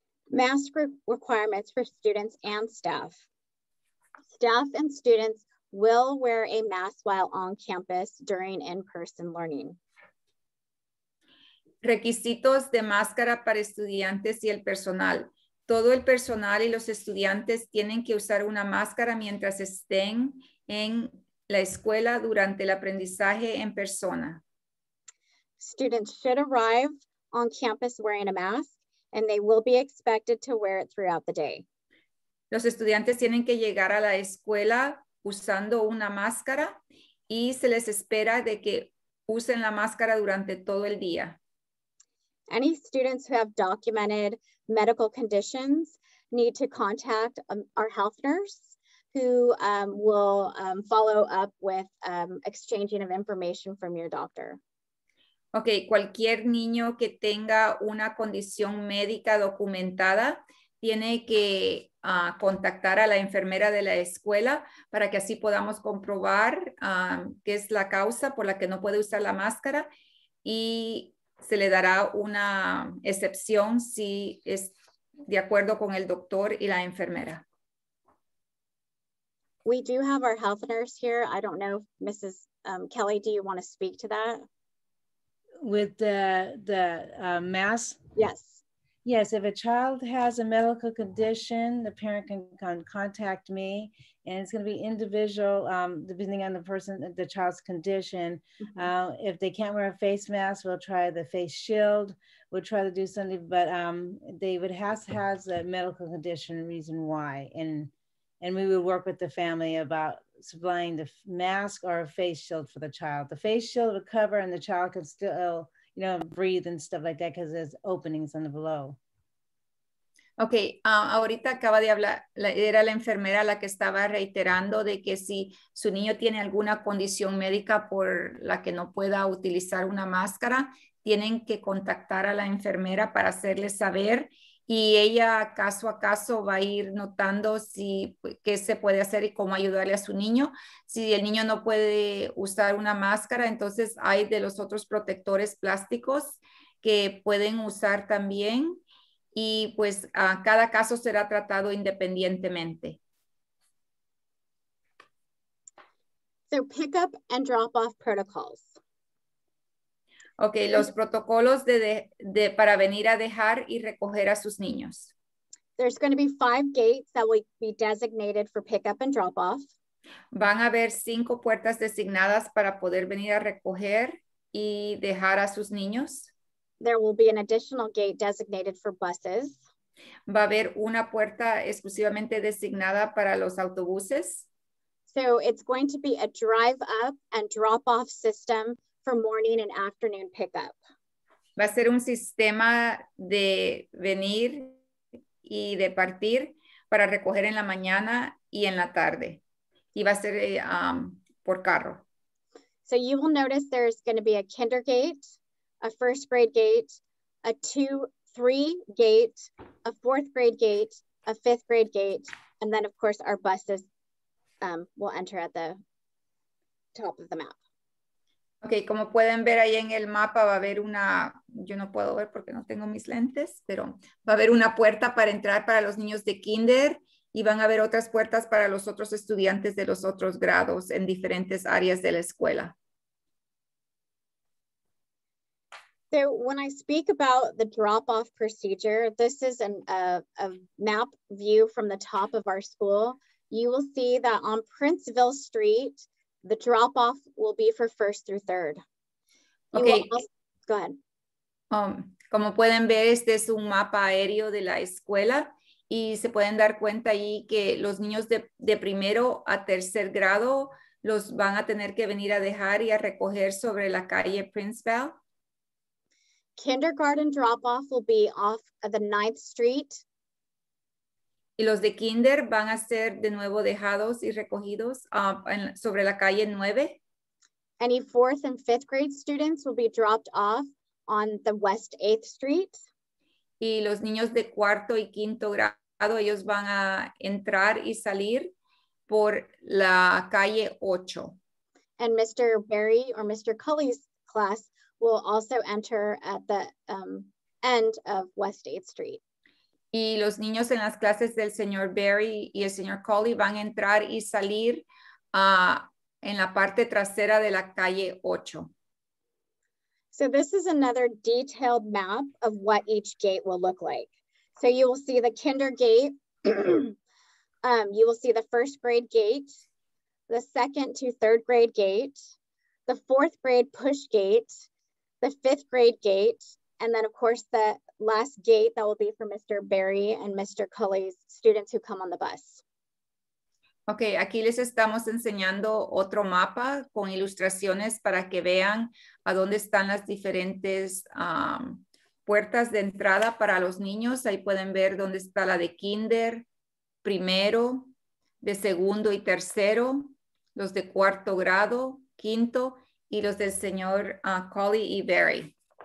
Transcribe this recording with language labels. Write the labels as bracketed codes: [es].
[en] Mask requirements for students and staff. Staff and students will wear a mask while on campus during in-person learning. [es] Requisitos de máscara para estudiantes y el personal. Todo el personal y los estudiantes tienen que usar una máscara mientras estén en la escuela durante el aprendizaje en persona. [en] Students should arrive on campus wearing a mask, and they will be expected to wear it throughout the day. [es] Los estudiantes tienen que llegar a la escuela usando una máscara y se les espera de que usen la máscara durante todo el día. [en] Any students who have documented medical conditions need to contact our health nurse, who will follow up with exchanging of information from your doctor. [es] Okay, cualquier niño que tenga una condición médica documentada tiene que contactar a la enfermera de la escuela para que así podamos comprobar qué es la causa por la que no puede usar la máscara y se le dará una excepción si es de acuerdo con el doctor y la enfermera. [en] We do have our health nurse here. I don't know, Mrs. Kelly, do you want to speak to that? With the mask? Yes. Yes, if a child has a medical condition, the parent can contact me, and it's going to be individual depending on the person, the child's condition. Mm-hmm. If they can't wear a face mask, we'll try the face shield. We'll try to do something, but they would has a medical condition reason why, and we would work with the family about supplying the mask or a face shield for the child. The face shield would cover, and the child can still, you know, breathe and stuff like that because there's openings on the below. [es] Okay, ahorita acaba de hablar, era la enfermera la que estaba reiterando de que si su niño tiene alguna condición médica por la que no pueda utilizar una máscara, tienen que contactar a la enfermera para hacerle saber y ella caso a caso va a ir notando si qué se puede hacer y cómo ayudarle a su niño. Si el niño no puede usar una máscara, entonces hay de los otros protectores plásticos que pueden usar también y pues cada caso será tratado independientemente. [en] So pick up and drop off protocols. [es] Okay, los protocolos para venir a dejar y recoger a sus niños. [en] There's going to be 5 gates that will be designated for pickup and drop off. [es] Van a haber 5 puertas designadas para poder venir a recoger y dejar a sus niños. [en] There will be an additional gate designated for buses. [es] Va a haber una puerta exclusivamente designada para los autobuses. [en] So it's going to be a drive up and drop off system for morning and afternoon pickup. [es] Va a ser un sistema de venir y de partir para recoger en la mañana y en la tarde. Y va a ser por carro. [en] So you will notice there's going to be a kinder gate, a first grade gate, a 2-3 gate, a 4th grade gate, a 5th grade gate, and then of course our buses will enter at the top of the map. [es] Okay, como pueden ver ahí en el mapa va a haber una, yo no puedo ver porque no tengo mis lentes, pero va a haber una puerta para entrar para los niños de kinder y van a haber otras puertas para los otros estudiantes de los otros grados en diferentes áreas de la escuela. [en] So when I speak about the drop-off procedure, this is a map view from the top of our school. You will see that on Princeville Street, the drop-off will be for 1st through 3rd. Okay. Go ahead. [es] Como pueden ver, este es un mapa aéreo de la escuela y se pueden dar cuenta ahí que los niños de primero a tercer grado los van a tener que venir a dejar y a recoger sobre la calle Princeville. [en] Kindergarten drop-off will be off of the 9th Street. [es] Y los de kinder van a ser de nuevo dejados y recogidos sobre la calle 9. [en] Any 4th and 5th grade students will be dropped off on the West 8th Street. [es] Y los niños de cuarto y quinto grado, ellos van a entrar y salir por la calle 8. [en] And Mr. Berry or Mr. Cully's class will also enter at the end of West 8th Street. [es] Y los niños en las clases del señor Berry y el señor Cully van a entrar y salir en la parte trasera de la calle 8. [en] So this is another detailed map of what each gate will look like. So you will see the kinder gate, you will see the 1st grade gate, the 2nd to 3rd grade gate, the 4th grade push gate, the 5th grade gate, and then of course the last gate that will be for Mr. Berry and Mr. Cully's students who come on the bus. [es] Okay, aquí les estamos enseñando otro mapa con ilustraciones para que vean a dónde están las diferentes puertas de entrada para los niños. Ahí pueden ver dónde está la de kinder, primero, de segundo y tercero, los de cuarto grado, quinto, y los del señor Cully y Berry.